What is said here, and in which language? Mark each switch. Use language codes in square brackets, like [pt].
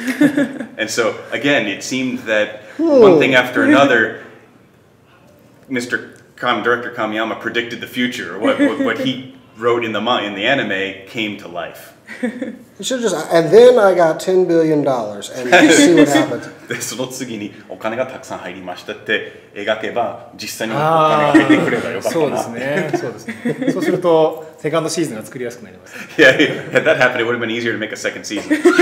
[en] And so, again, it seemed that one thing after another, Director Kamiyama predicted the future. What he wrote in the anime came to life. You should just, and then I got $10 billion, and you see what happens. [ja] で、その次に、お金がたくさん入りましたって描けば、実際にお金が入ってくればよかったな。そうですね、そうですね。そうすると、セカンドシーズンが作りやすくなります。 [en] Yeah, had that happened, it would have been easier to make a second season.